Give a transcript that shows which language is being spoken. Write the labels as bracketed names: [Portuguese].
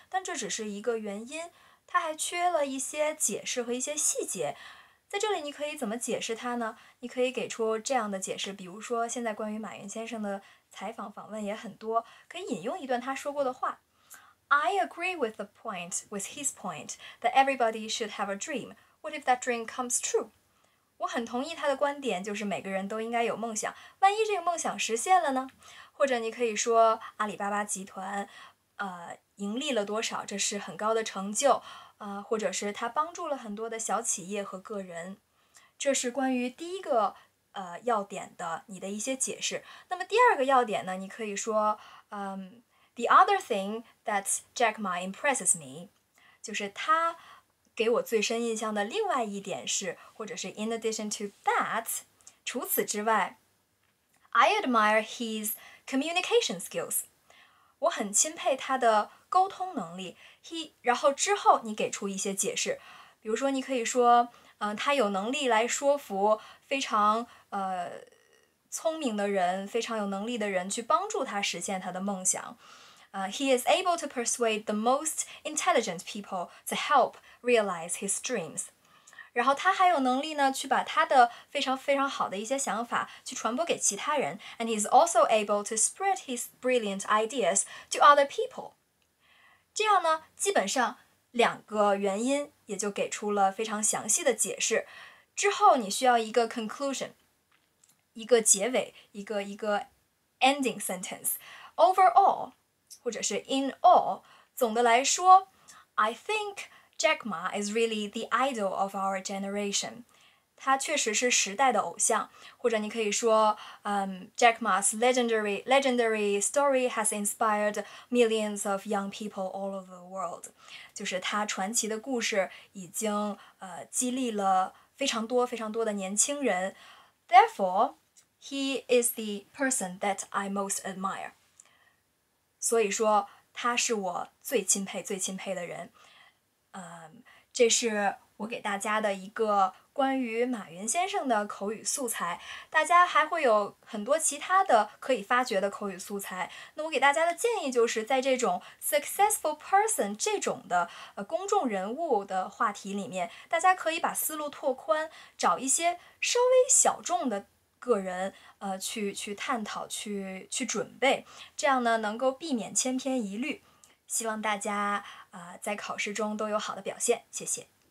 [Chinese] 但这只是一个原因，他还缺了一些解释和一些细节。在这里你可以怎么解释他呢？你可以给出这样的解释，比如说现在关于马云先生的采访访问也很多，可以引用一段他说过的话。 [English] I agree with the point, with his point, that everybody should have a dream. What if that dream comes true? [Chinese] 我很同意他的观点，就是每个人都应该有梦想，万一这个梦想实现了呢？或者你可以说阿里巴巴集团盈利了多少，这是很高的成就，或者是他帮助了很多的小企业和个人。这是关于第一个要点的你的一些解释。那么第二个要点呢，你可以说 [English] The other thing that Jack Ma impresses me， [Chinese] 就是他给我最深印象的另外一点是，或者是 [English] in addition to that， [Chinese] 除此之外， [English] I admire his communication skills， [Chinese] 我很钦佩他的沟通能力。然后之后你给出一些解释，比如说你可以说他有能力来说服非常聪明的人，非常有能力的人去帮助他实现他的梦想。 [English] He is able to persuade the most intelligent people to help realize his dreams. [Chinese] 然后他还有能力呢去把他的非常非常好的一些想法去传播给其他人 [English] and he's also able to spread his brilliant ideas to other people. [Chinese] 这样呢基本上两个原因也就给出了非常详细的解释。之后你需要一个 conclusion, 一个结尾，一个 [English] ending sentence. Overall, [Chinese] 或者是 [English] in all, [Chinese] 总的来说 [English] I think,Jack Ma is really the idol of our generation. [Chinese] 他确实是时代的偶像，或者你可以说 [English] Jack Ma's legendary story has inspired millions of young people all over the world. [Chinese] 就是他传奇的故事已经激励了非常多非常多的年轻人。 [English] Therefore, he is the person that I most admire. [Chinese] 所以说他是我最钦佩最钦佩的人。这是我给大家的一个关于马云先生的口语素材，大家还会有很多其他的可以发掘的口语素材。那我给大家的建议就是在这种 successful person 这种的公众人物的话题里面，大家可以把思路拓宽，找一些稍微小众的个人去探讨，去准备，这样呢能够避免千篇一律。希望大家在考试中都有好的表现，谢谢。